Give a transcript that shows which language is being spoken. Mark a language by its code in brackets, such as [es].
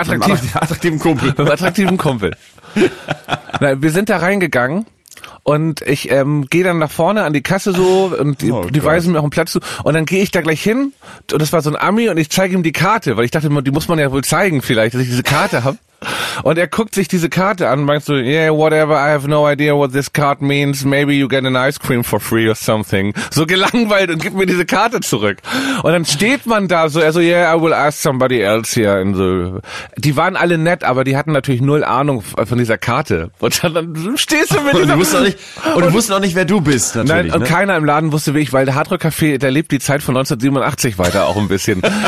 [de] Mit einem attraktiven Kumpel. Na, wir sind da reingegangen. Und ich gehe dann nach vorne an die Kasse so und die weisen mir auch einen Platz zu. Und dann gehe ich da gleich hin und das war so ein Ami und ich zeige ihm die Karte, weil ich dachte, die muss man ja wohl zeigen vielleicht, dass ich diese Karte habe. Und er guckt sich diese Karte an und meint so, [en] yeah, whatever, I have no idea what this card means. Maybe you get an ice cream for free or something. [de] So gelangweilt und gibt mir diese Karte zurück. Und dann steht man da so, er so, [en] yeah, I will ask somebody else here. [de] Und so. Die waren alle nett, aber die hatten natürlich null Ahnung von dieser Karte. Und dann stehst du mit dieser... Und du wusstest auch nicht, wer du bist, natürlich. Nein, und ne? Keiner im Laden wusste, wie ich, weil der Hardrock Café, der lebt die Zeit von 1987 weiter auch ein bisschen.